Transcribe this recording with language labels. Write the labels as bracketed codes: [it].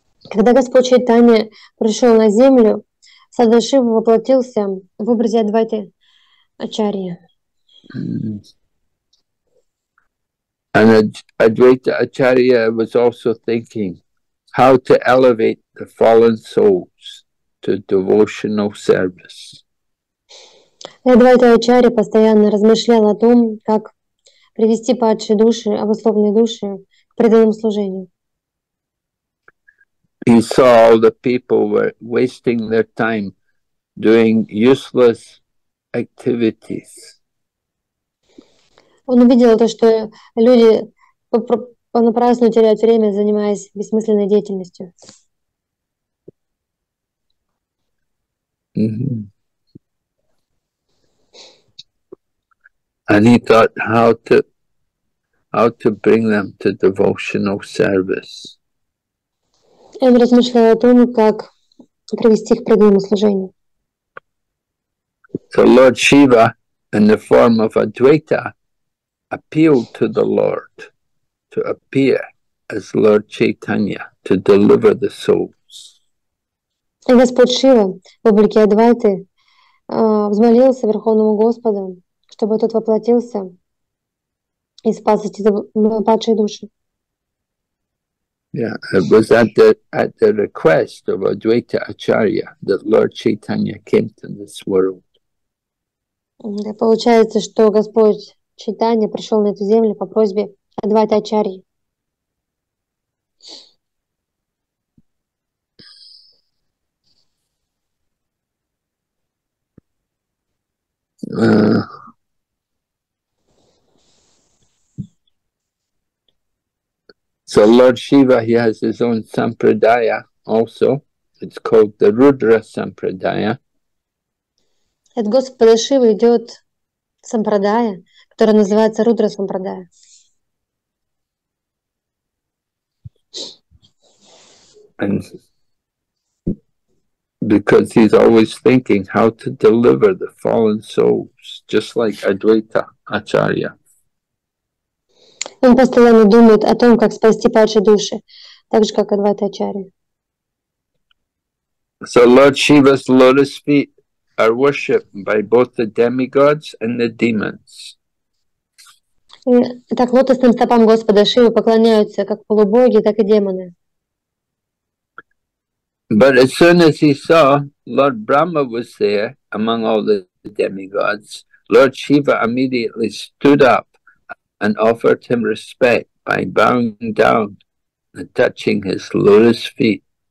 [ru] Когда Господь Чайтанья пришел на землю, Садашива воплотился в образе Адвайты Ачарьи. [en] And Advaita Acharya was also thinking how to elevate the fallen souls to devotional service. [ru] Адвайта Ачарья постоянно размышлял о том, как привести падшие души, обусловленные души, к преданному служению. [en] He saw all the people were wasting their time doing useless activities. [ru] Он увидел то, что люди понапрасну теряют время, занимаясь бессмысленной деятельностью. [en] And he thought how to bring them to devotional service. [ru] Он размышлял о том, как привести их к преданному служению. [en] So Lord Shiva, in the form of Advaita, appealed to the Lord to appear as Lord Chaitanya to deliver the souls. [ru] И Господь Шива в облике Адвайты взмолился Верховному Господу, чтобы тот воплотился и спас эти падшие души. [en] Yeah, it was at the request of Advaita Acharya that Lord Chaitanya came to this world. [ru] Да, получается, что Господь Чайтанья пришел на эту землю по просьбе Адвайты Ачарьи. [en] So Lord Shiva, he has his own sampradaya also. It's called the Rudra Sampradaya. [ru] От Господа Шивы идет сампрадая, которая называется Рудра Сампрадая. [en] And because he's always thinking how to deliver the fallen souls, just like Advaita Acharya. [ru] Он постоянно думает о том, как спасти падшие души, так же, как Адвайта Ачарья. [en] So Lord Shiva's lotus feet are worshipped by both the demigods and the demons. [ru] Так лотосным стопам Господа Шивы поклоняются как полубоги, так и демоны. [en] But as soon as he saw Lord Brahma was there among all the demigods, Lord Shiva immediately stood up and offered him respect by bowing down and touching his lotus feet.